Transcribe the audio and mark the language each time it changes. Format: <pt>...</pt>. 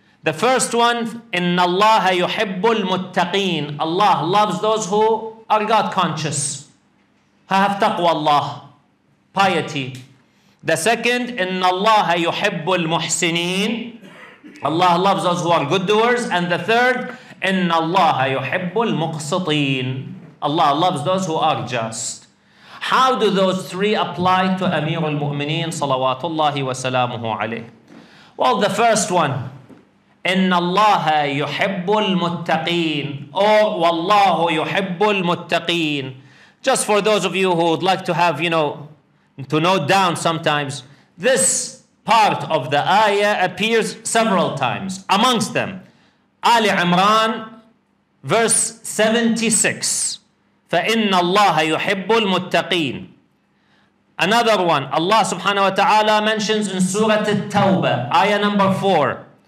<en>The first one,</en> <ar>إِنَّ اللَّهَ يُحِبُّ الْمُتَّقِينَ.</ar> <en>Allah loves those who are God conscious. Have taqwa Allah, piety. The second,</en> <ar>إِنَّ اللَّهَ يُحِبُّ الْمُحْسِنِينَ.</ar> <en>Allah loves those who are good doers. And the third,</en> <ar>إِنَّ اللَّهَ يُحِبُّ الْمُقْسِطِينَ.</ar> <en>Allah loves those who are just. How do those three apply to Amir al-Mu'mineen salawatullahi wa salamuhu alayhi? Well, the first one,</en> <ar>إِنَّ اللَّهَ يُحِبُّ الْمُتَّقِينَ.</ar> <en>Or,</en> <ar>وَاللَّهُ يُحِبُّ الْمُتَّقِينَ.</ar> <en>Just for those of you who would like to have, you know, to note down sometimes, this part of the ayah appears several times. Amongst them, Ali Imran, verse 76.</en> <ar>فَإِنَّ اللَّهَ يُحِبُّ الْمُتَّقِينَ.</ar> <en>Another one, Allah subhanahu wa ta'ala mentions in Surah At-Tawbah, ayah number 4.</en>